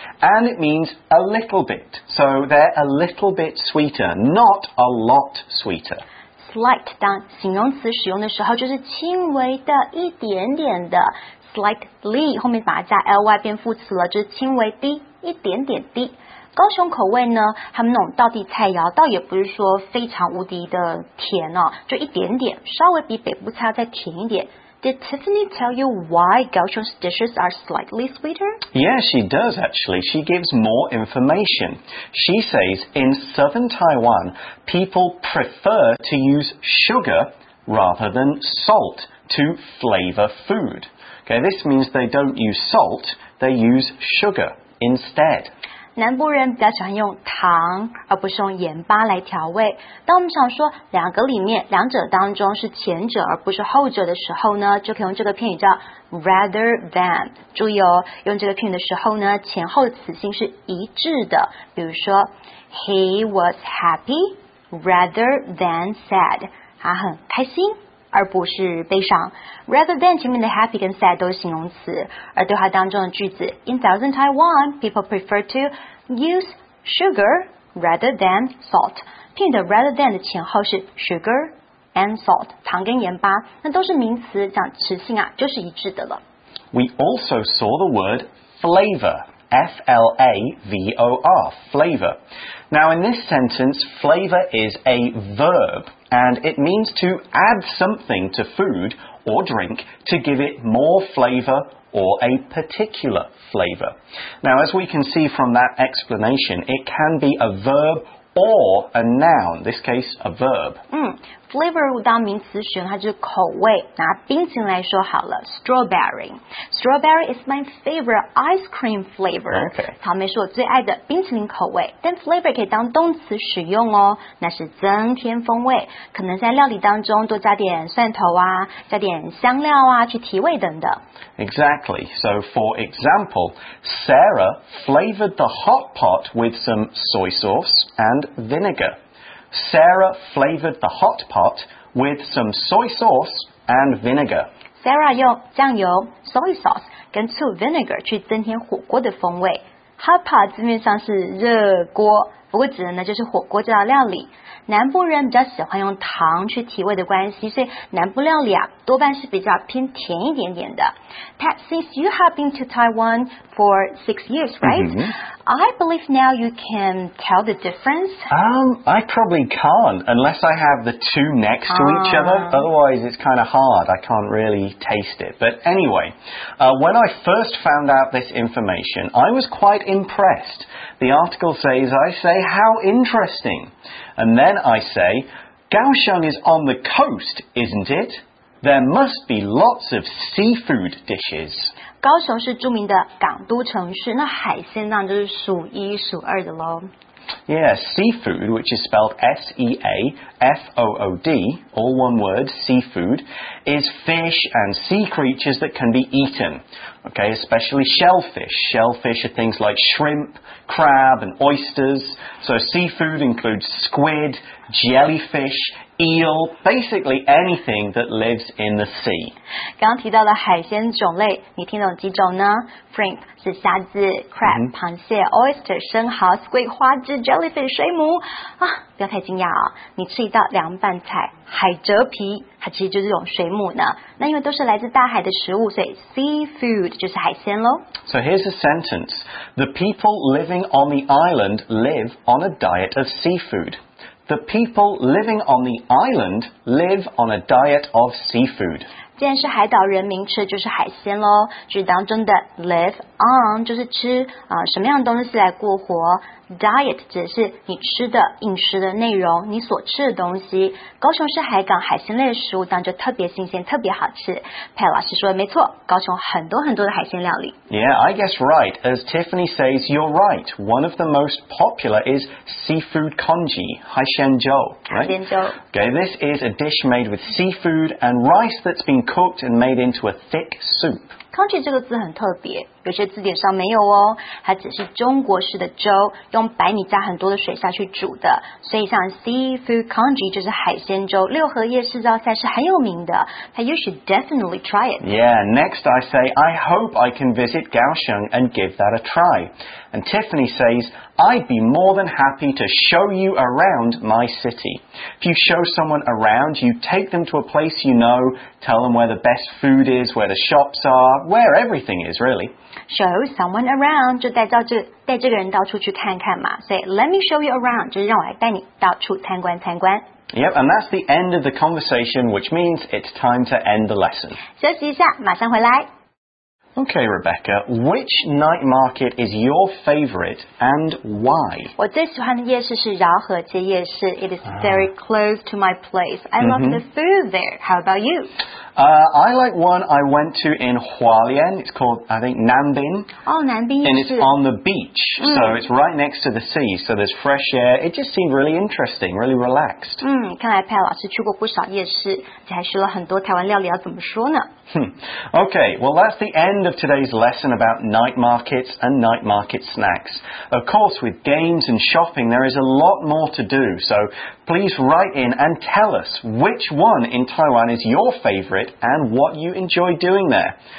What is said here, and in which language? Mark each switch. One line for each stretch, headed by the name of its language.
English: And it means a little bit. So they're a little bit sweeter, not a lot sweeter.
Chinese: Slight, 当形容词使用的时候就是轻微的一点点的 slightly, 后面把它加 L-Y 变副词了，就是轻微低，一点点低。高雄口味呢，他们那种道地菜肴倒也不是说非常无敌的甜哦，就一点点，稍微比北部菜再甜一点。
English: Did Tiffany tell you why Kaohsiung's dishes are slightly sweeter? Yeah, she does actually. She gives more information. She says in southern Taiwan, people prefer to use sugar rather than salt. to flavor food. Okay, this means they don't use salt, they use sugar instead.
Chinese: 南部人比较喜欢用糖而不是用盐巴来调味。当我们想说两个里面两者当中是前者而不是后者的时候呢，就可以用这个片语叫 rather than。注意哦，用这个片语的时候呢，前后词性是一致的。比如说
English: He was happy rather than sad，
Chinese: 他很开心而不是悲伤。
English: Rather than
Chinese: 前面的
English: happy 跟 sad
Chinese: 都是形容词，而对话当中的句子
English: In Thousand Taiwan, people prefer to use sugar rather than salt。
Chinese: 片语的 rather than 的前后是 sugar and salt， 糖跟盐巴，那都是名词，讲词性啊，就是一致的了。
English: We also saw the word flavor, F-L-A-V-O-R, flavor. Now in this sentence, flavor is a verb. And it means to add something to food or drink to give it more flavor or a particular flavor. Now, as we can see from that explanation, it can be a verb or a noun. In this case, a verb.
Chinese: Flavor 当名词使用，它就是口味。拿冰淇淋来说好了 ，strawberry.
English: Strawberry is my favorite ice cream flavor. Okay.
Chinese: 草莓是我最爱的冰淇淋口味。但 flavor 可以当动词使用哦，那是增添风味，可能在料理当中多加点蒜头啊，加点香料啊，去提味等等。
English: Exactly. So for example, Sarah flavored the hot pot with some soy sauce and vinegar. Sarah flavored the hot pot with some soy sauce and vinegar.
Chinese: Sarah 用酱油 soy sauce 跟醋 vinegar 去增添火锅的风味。 Hot pot 字面上是热锅，不过指的呢就是火锅这道料理。南部人比较喜欢用糖去提味的关系，所以南部料理啊多半是比较偏甜一点点的。
English: Pat, since you have been to Taiwan for 6 years, right?、 Mm-hmm. I believe now you can tell the difference. I probably can't unless I have the two next to each other. Otherwise, it's kind of hard. I can't really taste it. But anyway, when I first found out this information, I was quite impressed. The article says, I say, how interesting. And then I say, Kaohsiung is on the coast, isn't it? There must be lots of seafood dishes.
Chinese: 高雄是著名的港都城市，那海鲜当然就是数一数二的咯。
English: Yeah, seafood, which is spelled S-E-A-F-O-O-D, all one word, seafood, is fish and sea creatures that can be eaten. Okay, especially shellfish. Shellfish are things like shrimp, crab and oysters. So seafood includes squid, jellyfish, eel, basically anything that lives in the sea.
Chinese: 刚刚提到的海鲜种类，你听懂几种呢？
English: Shrimp
Chinese: 是虾子
English: ，crab、mm-hmm.
Chinese: 螃蟹 ，oyster 生蚝 ，squid 花枝 ，jellyfish 水母啊！不要太惊讶啊！你吃一道凉拌菜，海蜇皮，它其实就是用水母呢。那因为都是来自大海的食物，所以 seafood 就是海鲜喽。
English: So here's a sentence: The people living on the island live on a diet of seafood. The people living on the island live on a diet of seafood.
Chinese: 既然是海岛人民吃的就是海鲜咯，句当中的 live on 就是吃、什么样的东西来过活， diet 指的是你吃的饮食的内容，你所吃的东西。高雄是海港，海鲜类的食物当中特别新鲜，特别好吃。佩老师说的没错，高雄很多很多的海鲜料理。
English: Yeah, I guess right. As Tiffany says, you're right. One of the most popular is seafood congee, 海鲜粥、right?
Chinese: 海鲜粥。
English: Okay, this is a dish made with seafood and rice that's beencooked and made into a thick soup.
Chinese: Congee 这个字很特别，有些字典上没有哦，它只是中国式的粥，用白米加很多的水下去煮的，所以像 seafood congee 就是海鲜粥，六合夜市造菜是很有名的。
English: You should definitely try it. Yeah, next I say, I hope I can visit Kaohsiung and give that a try. And Tiffany says, I'd be more than happy to show you around my city. If you show someone around, you take them to a place you know, tell them where the best food is, where the shops are, where everything is, really. Show someone around 就带这个人到处去看看嘛，所以 Let me show you around 就是让我来带你到处参观参观。 Yep, and that's the end of the conversation, which means it's time to end the lesson.
Chinese: 休息一下，马上回来。
English: Okay, Rebecca, which night market is your favorite and why?
Chinese: 我最喜欢的夜市是饶河街夜市。
English: It is very close to my place. I love the food there. How about you? I like one I went to in Hualien. It's called, I think, Nanbin. Oh, Nanbin. And it's on the beach. So it's right next to the sea. So there's fresh air. It just seemed really interesting, really relaxed.
Chinese: 看来佩老师去过不少夜市，还学了很多台湾料理要怎么说呢？
English: Okay, well, that's the end of today's lesson about night markets and night market snacks. Of course, with games and shopping, there is a lot more to do. So please write in and tell us which one in Taiwan is your favorite and what you enjoy doing there.